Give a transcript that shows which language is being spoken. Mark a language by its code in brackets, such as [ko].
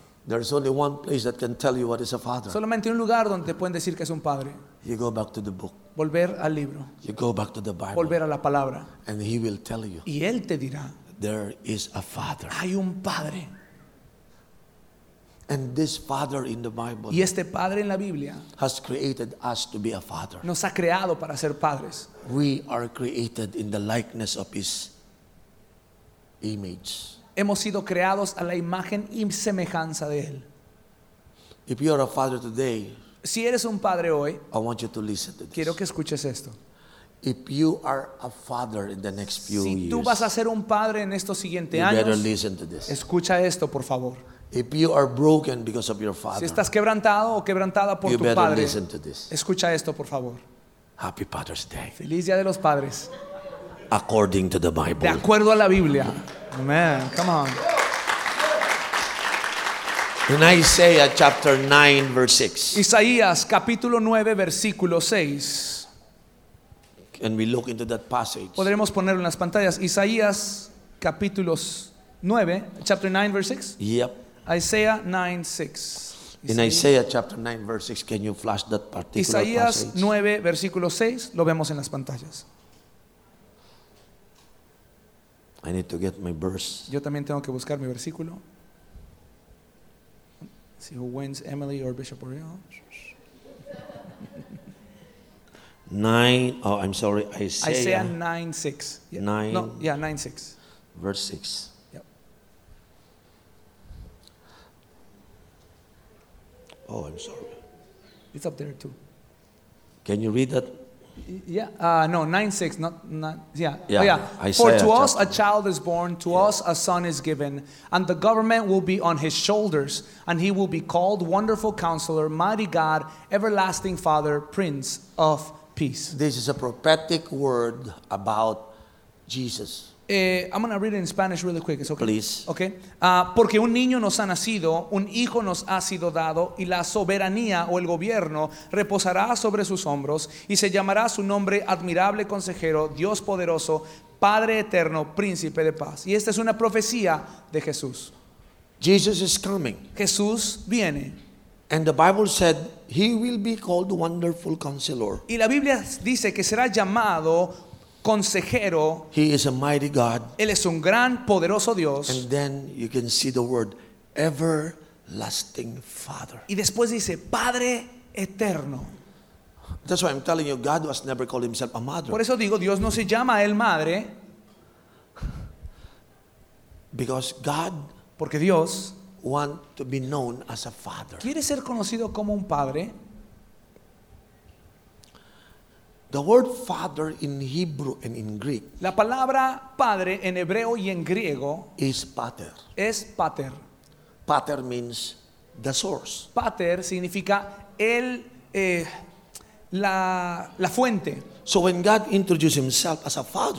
[en] There is only one place that can tell you what is a father. [es] Solamente un lugar donde te pueden decir que es un padre. [en] You go back to the book. [es] Volver al libro. [en] You go back to the Bible. [es] Volver a la palabra. [en] And he will tell you. [es] Y él te dirá. [en] There is a father. [es] Hay un padre. [en] And this father in the Bible. [es] Y este padre en la Biblia. [en] Has created us to be a father. [es] Nos ha creado para ser padres. [en] We are created in the likeness of his image. [es] Hemos sido creados a la imagen y semejanza de él. [en] If you are a father today, [es] si eres un padre hoy, [en] I want you to listen to this. [es] Quiero que escuches esto. [en] If you are a father in the next few years, [es] si tú vas a ser un padre en estos siguientes [en] you [es] años, [en] better listen to this. [es] Escucha esto, por favor. [en] If you are broken because of your father, [es] si estás quebrantado o quebrantada por [en] you [es] tu [en] better [es] padre, [en] listen to this. [es] Escucha esto, por favor. [en] Happy Father's Day. [es] Feliz Día de los Padres. [en] According to the Bible. [es] De acuerdo a la Biblia. [en] Amen. Come on. In Isaiah chapter 9 verse 6. [es] Isaías capítulo 9 versículo 6. [en] And we look into that passage. [es] Podremos ponerlo en las pantallas. Isaías capítulo 9, [en] chapter 9 verse 6. Yep. Isaiah 9 6. In Isaiah chapter 9 verse 6, can you flash that particular [es] Isaías [en] passage? [es] Isaías 9 versículo 6, lo vemos en las pantallas. [en] I need to get my verse. [es] Yo también tengo que buscar mi versículo. [en] See who wins, Emily or Bishop Oriol. 9, oh, I'm sorry, Isaiah. Isaiah 9, 6. Yeah. 9. No, yeah, 9, 6. Verse 6. Yep. Oh, I'm sorry. It's up there too. Can you read that? Yeah, no, 9-6, not, yeah. Oh, yeah. For to us a child is born, to us a son is given, and the government will be on his shoulders, and he will be called Wonderful Counselor, Mighty God, Everlasting Father, Prince of Peace. This is a prophetic word about Jesus. I'm going to read it in Spanish really quick. It's okay. Please. Okay. [es] Porque un niño nos ha nacido, un hijo nos ha sido dado, y la soberanía o el gobierno reposará sobre sus hombros, y se llamará su nombre Admirable Consejero, Dios Poderoso, Padre Eterno, Príncipe de Paz. Y esta es una profecía de Jesús. [en] Jesus is coming. [es] Jesús viene. [en] And the Bible said he will be called Wonderful Counselor. [es] Y la Biblia dice que será llamado Consejero. [en] He is a mighty God. [es] Él es un gran poderoso Dios. [en] And then you can see the word Everlasting Father. [es] Y después dice Padre Eterno. [en] That's why I'm telling you God was never called himself a mother. [es] Por eso digo Dios no se llama a él madre. [en] Because God, [es] porque Dios [en] want to be known as a father. [es] Quiere ser conocido como un padre. [en] The word father in Hebrew and in Greek. [es] La palabra padre en hebreo y en griego [en] is pater. [es] Es pater. [en] Pater means the source. [es] Pater significa el la fuente. [en] So when God introduces himself as a father,